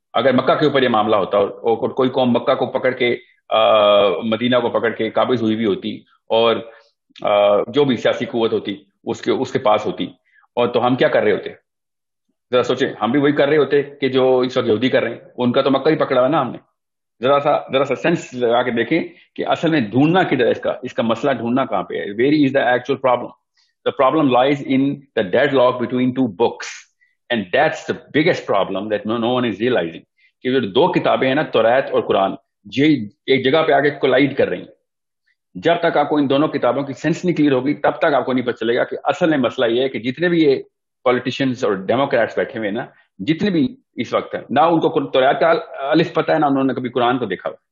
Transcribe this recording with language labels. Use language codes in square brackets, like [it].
[ur] اگر مکہ کے اوپر یہ معاملہ ہوتا اور کوئی قوم مکہ کو پکڑ کے مدینہ کو پکڑ کے قابض ہوئی بھی ہوتی اور جو بھی سیاسی قوت ہوتی اس کے پاس ہوتی, اور تو ہم کیا کر رہے ہوتے؟ ذرا سوچیں, ہم بھی وہی کر رہے ہوتے کہ جو اس وقت یہودی کر رہے ہیں. ان کا تو مکہ ہی پکڑا ہوا نا ہم نے. ذرا سا سینس لگا کے دیکھیں کہ اصل میں ڈھونڈنا کدھر, اس کا مسئلہ ڈھونڈنا کہاں پہ ہے. [en] Where is the actual problem? The problem lies in the dead lock between two books, and that's the biggest problem that no one is realizing. [ur] کہ جو دو کتابیں ہیں نا, تورات اور قرآن, یہ ایک جگہ پہ آ کے کولائڈ کر رہی ہیں. جب تک آپ کو ان دونوں کتابوں کی سینس نہیں کلیئر ہوگی تب تک آپ کو نہیں پتہ چلے گا کہ اصل میں مسئلہ یہ ہے کہ جتنے بھی یہ پولیٹیشینس اور ڈیموکریٹس بیٹھے ہوئے نا, جتنے بھی اس وقت ہیں, نہ ان کو تورات کا الف پتہ ہے نہ انہوں نے کبھی قرآن کو دیکھا.